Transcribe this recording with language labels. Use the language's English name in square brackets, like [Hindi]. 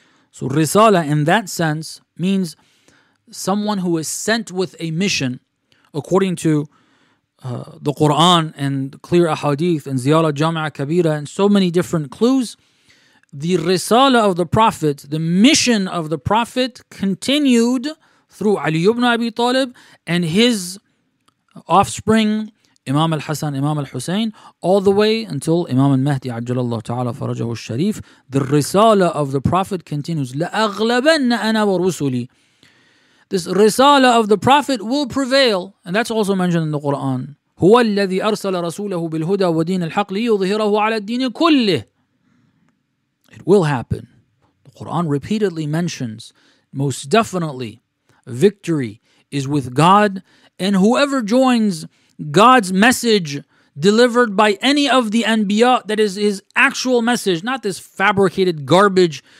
[English] So Risala, in that sense, means someone who is sent with a mission, according to the Qur'an and clear ahadith and ziyala jama'a kabira and so many different clues, the risala of the Prophet, the mission of the Prophet continued through Ali ibn Abi Talib and his offspring, Imam al-Hasan, Imam al-Husayn, all the way until Imam al-Mahdi, ajjalallahu ta'ala farajahu al-Sharif. The risala of the Prophet continues. [Arabic] لَأَغْلَبَنَّ أَنَا وَرُسُلِي. [English] This risala of the Prophet will prevail. And that's also mentioned in the Quran. [Arabic] هو الذي أرسل رسوله بالهدى ودين الحق ليظهره على الدين كله. [English] It will happen. The Quran repeatedly mentions, most definitely, victory is with God, and whoever joins God's message delivered by any of the Anbiya, that is his actual message, not this fabricated garbage.